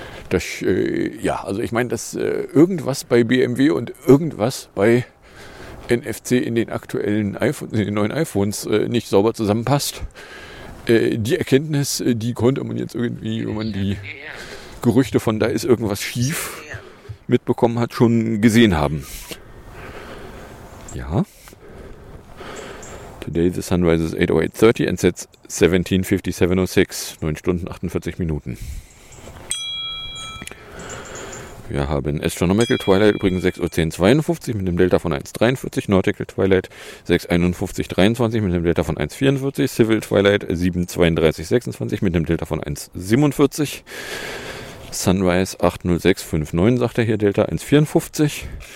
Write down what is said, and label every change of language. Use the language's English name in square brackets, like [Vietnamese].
[German] Das, ja, also ich meine, dass irgendwas bei BMW und irgendwas bei NFC in den aktuellen iPhones, in den neuen iPhones nicht sauber zusammenpasst. Die Erkenntnis, die konnte man jetzt irgendwie, wenn man die Gerüchte von da ist irgendwas schief mitbekommen hat, schon gesehen haben. Ja. [English] Today the sun rises 8:08:30 and sets 17:57:06. [German] 9 Stunden 48 Minuten. Wir haben Astronomical Twilight übrigens 6:10:52 mit dem Delta von 1:43, Nautical Twilight 6:51:23 mit dem Delta von 1:44, Civil Twilight 7:32:26 mit dem Delta von 1:47, Sunrise 8:06:59, sagt er hier, Delta 1:54.